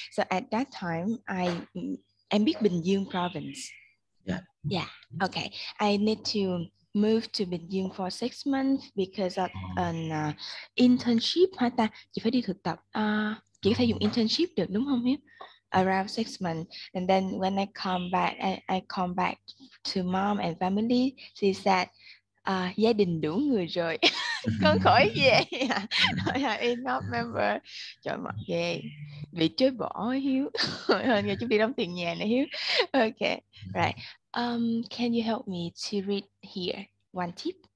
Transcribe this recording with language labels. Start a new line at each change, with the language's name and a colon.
English: So at that time
Vietnamese: em biết
English: Bình Dương province. Yeah. Yeah. Okay. I need to move to Bình Dương for 6 months because of an internship.
Vietnamese: Hả ta? Chị phải đi thực tập. Chị có thể dùng internship được đúng không Hiếu?
English: Around 6 months, and then when I come back, I come back to mom and family. She said,
Vietnamese: gia đình đủ người rồi. Con khỏi về.
English: I have enough member.
Vietnamese: Trời mặt ghê. Bị chối bỏ Hiếu. Nghe chúng đi đóng tiền nhà này Hiếu.
English: Okay, right. Can you help me to read here one tip?